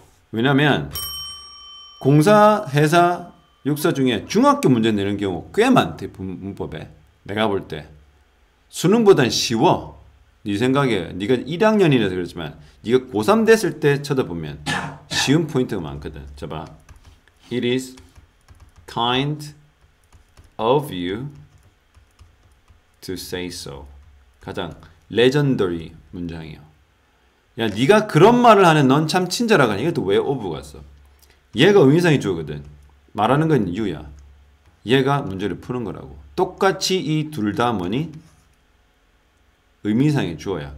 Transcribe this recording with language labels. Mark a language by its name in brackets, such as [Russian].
[Korean] 왜냐면 공사, 회사, 육사 중에 중학교 문제 내는 경우 꽤 많대 문법에. 내가 볼 때. 수능보단 쉬워. 네 생각에 네가 1학년이라서 그렇지만 네가 고3 됐을 때 쳐다보면 쉬운 포인트가 많거든. 자 봐. [English] It is kind of you to say so. [Korean] 가장 레전더리 문장이요. 야, 네가 그런 말을 하는 넌참 친절하거니. 이것도 왜 오브 갔어? 얘가 의미상의 주어거든. 말하는 건 유야. 얘가 문제를 푸는 거라고. 똑같이 이둘다 뭐니? 의미상의 주어야.